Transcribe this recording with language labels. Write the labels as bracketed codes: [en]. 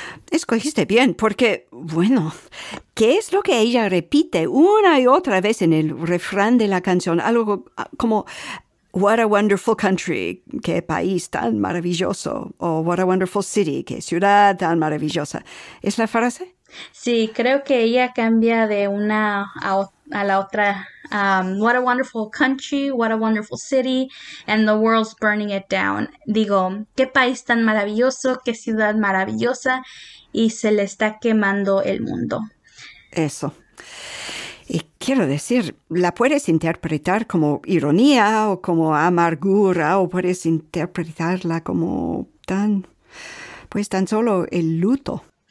[es] Escogiste bien, porque, bueno, ¿qué es lo que ella repite una y otra vez en el refrán de la canción? Algo como, [en] what a wonderful country, [es] qué país tan maravilloso. O [en] what a wonderful city, [es] qué ciudad tan maravillosa. ¿Es la frase? Sí, creo que ella cambia de una a la otra. [en] What a wonderful country, what a wonderful city, and the world's burning it down. [es] Digo, qué país tan maravilloso, qué ciudad maravillosa, y se le está quemando el mundo. Eso. Y quiero decir, la puedes interpretar como ironía o como amargura, o puedes interpretarla como tan solo el luto.